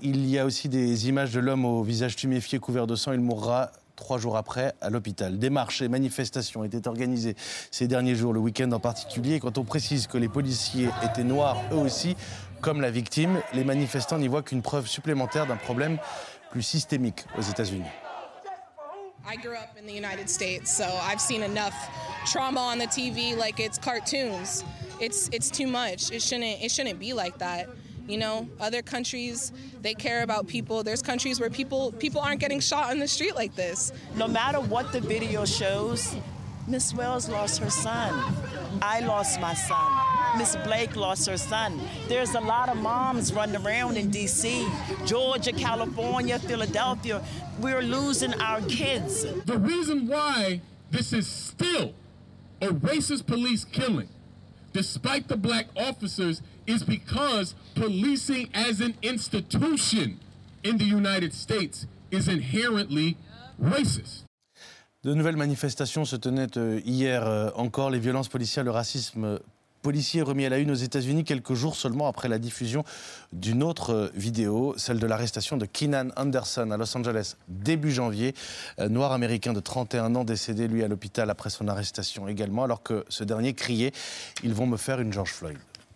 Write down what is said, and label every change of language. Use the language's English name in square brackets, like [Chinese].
[French] Il y a aussi des images de l'homme au visage tuméfié, couvert de sang. Il mourra 3 jours après à l'hôpital. Des marches et manifestations étaient organisées ces derniers jours, le week-end en particulier. Quand on précise que les policiers étaient noirs, eux aussi, comme la victime, les manifestants n'y voient qu'une preuve supplémentaire d'un problème plus systémique aux États-Unis. [English] I grew up in the United States, so I've seen enough trauma on the TV like it's cartoons. It's too much. It shouldn't be like that. You know, other countries, they care about people. There's countries where people aren't getting shot on the street like this. No matter what the video shows, Miss Wells lost her son. I lost my son. Miss Blake lost her son. There's a lot of moms running around in D.C., Georgia, California, Philadelphia. We're losing our kids. The reason why this is still a racist police killing, despite the black officers, is because policing as an institution in the United States is inherently racist. [French] De nouvelles manifestations se tenaient hier encore. Les violences policières, le racisme policier remis à la une aux États-Unis quelques jours seulement après la diffusion d'une autre vidéo, celle de l'arrestation de Keenan Anderson à Los Angeles début janvier. Noir américain de 31 ans décédé lui à l'hôpital après son arrestation également, alors que ce dernier criait « Ils vont me faire une George Floyd ».